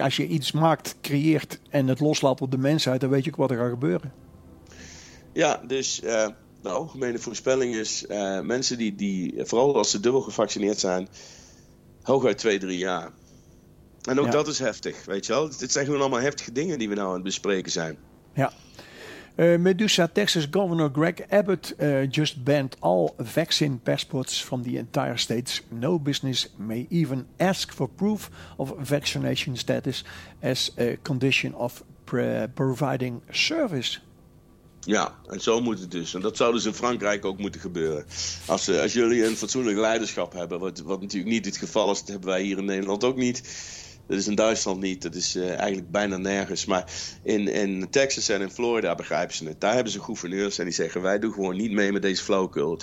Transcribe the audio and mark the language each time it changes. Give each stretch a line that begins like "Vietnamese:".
Dutch: Als je iets maakt, creëert en het loslaat op de mensheid, dan weet je ook wat er gaat gebeuren. Ja, dus de algemene voorspelling is, mensen die vooral als ze dubbel gevaccineerd zijn, hooguit 2-3 jaar. En ook dat is heftig, weet je wel. Het zijn gewoon allemaal heftige dingen die we nou aan het bespreken zijn. Ja.
English: Medusa, Texas Governor Greg Abbott just banned all vaccine passports from the entire states. No business may even ask for proof of vaccination status as a condition of providing service.
Dutch: Ja, en zo moet het dus. En dat zou dus in Frankrijk ook moeten gebeuren. Als jullie een fatsoenlijk leiderschap hebben, wat natuurlijk niet het geval is, dat hebben wij hier in Nederland ook niet. Dat is in Duitsland niet, dat is eigenlijk bijna nergens. Maar in Texas en in Florida begrijpen ze het. Daar hebben ze gouverneurs en die zeggen, wij doen gewoon niet mee met deze flauwekul.